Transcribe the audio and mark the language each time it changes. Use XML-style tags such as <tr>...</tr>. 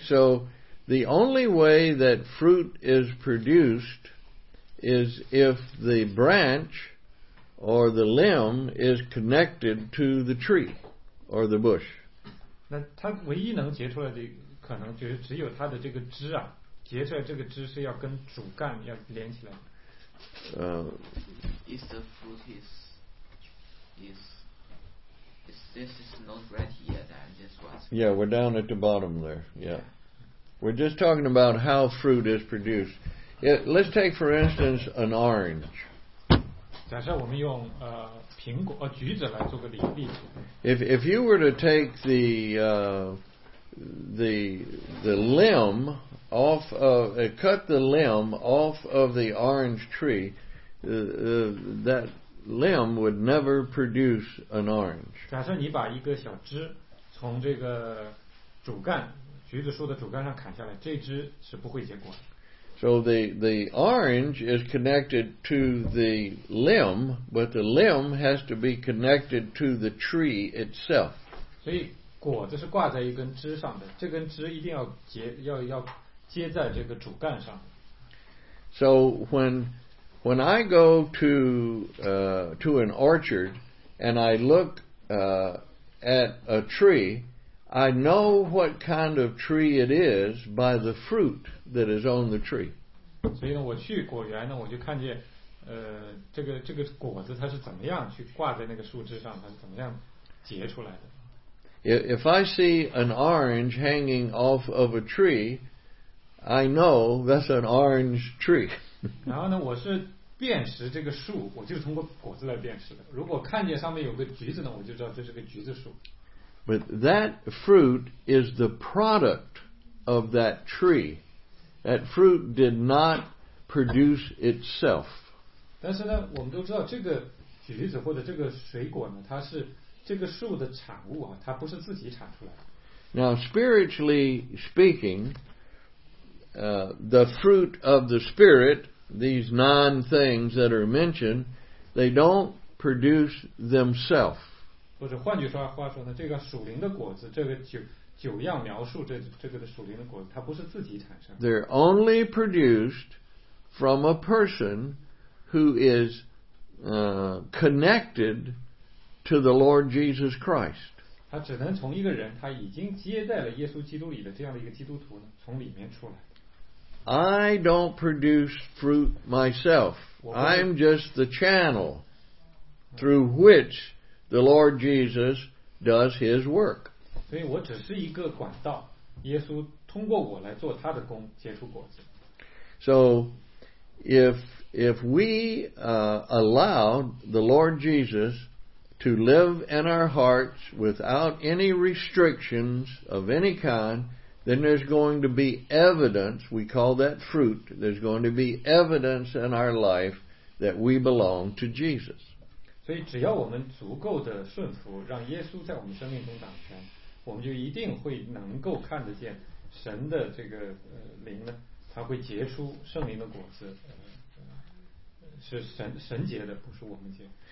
<en>So the only way that fruit is produced is if the branch or the limb is connected to the tree or the bush.</en> <zh>那它唯一能结出来的可能就是只有它的这个枝啊，结出来这个枝是要跟主干要连起来的。</zh> <en>Is the fruit is this is not ready yet and this one? Yeah, we're down at the bottom there. Yeah, we're just talking about how fruit is produced. Yeah, let's take for instance an orange.</en> <zh>假设我们用苹果橘子来做个例子。</zh> <en>If you were to take the limb off of cut the limb off of the orange tree, that limb would never produce an orange.</en> <zh>假设你把一个小枝从这个主干橘子树的主干上砍下来，这枝是不会结果的。</zh> <en>So the orange is connected to the limb, but the limb has to be connected to the tree itself.</en> <zh>所以果子是挂在一根枝上的，这根枝一定要结，要接在这个主干上。</zh> <en>So when I go to an orchard and I look at a tree, I know what kind of tree it is by the fruit that is on the tree.</en> <zh>所以呢，我去果园呢，我就看见，这个果子它是怎么样去挂在那个树枝上，它是怎么样结出来的。</zh> <en>If I see an orange hanging off of a tree, I know that's an orange tree.</en> <zh>然后呢，我是辨识这个树，我就通过果子来辨识的。如果看见上面有个橘子呢，我就知道这是个橘子树。</zh> <en>But that fruit is the product of that tree. That fruit did not produce itself.</en> <zh>但是呢，我们都知道这个橘子或者这个水果呢，它是这个树的产物啊，它不是自己产出来的。</zh> <en>Now, spiritually speaking, the fruit of the Spirit, these nine things that are mentioned, they don't produce themselves.</en> <zh>或者换句话说呢，这个属灵的果子，这个九样描述这个的属灵的果子，它不是自己产生的。</zh> <en>They're only produced from a person who is connected to the Lord Jesus Christ.</en> <zh>它只能从一个人，他已经接在了耶稣基督里的这样的一个基督徒呢，从里面出来。</zh> <en>I don't produce fruit myself. I'm just the channel through which. The Lord Jesus does His work.</en> <zh>所以我只是一个管道，耶稣通过我来做他的工，结出果子。</zh> <en>So, if we allow the Lord Jesus to live in our hearts without any restrictions of any kind, then there's going to be evidence. We call that fruit. There's going to be evidence in our life that we belong to Jesus.</en> <zh>所以只要我们足够的顺服，让耶稣在我们生命中掌权，我们就一定会能够看得见神的这个灵呢，它会结出圣灵的果子，是神结的，不是我们结。</zh>